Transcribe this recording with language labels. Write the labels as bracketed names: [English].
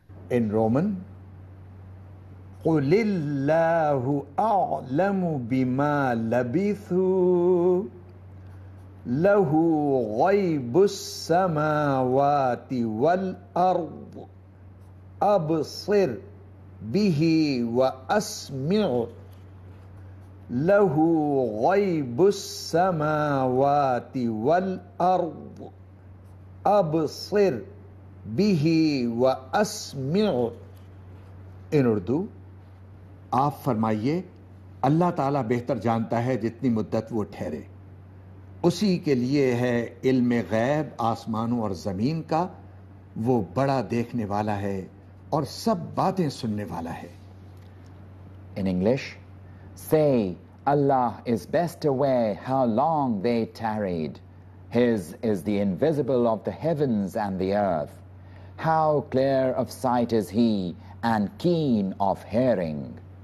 [English] In Roman, [Arabic] قل الله أعلم بما لبثوا له غيب السماوات والأرض أبصر به وأسمع له غيب السماوات والأرض أبصر به وأسمع. [English] In Urdu, [Urdu] آپ فرمائیے، اللہ تعالیٰ بہتر جانتا ہے جتنی مدت وہ ٹھہرے، اسی کے لیے ہے علم غیب آسمانوں اور زمین کا، وہ بڑا دیکھنے والا ہے اور سب باتیں سننے والا ہے. [English] In English, say, Allah is best aware how long they tarried. His is the invisible of the heavens and the earth. How clear of sight is he and keen of hearing.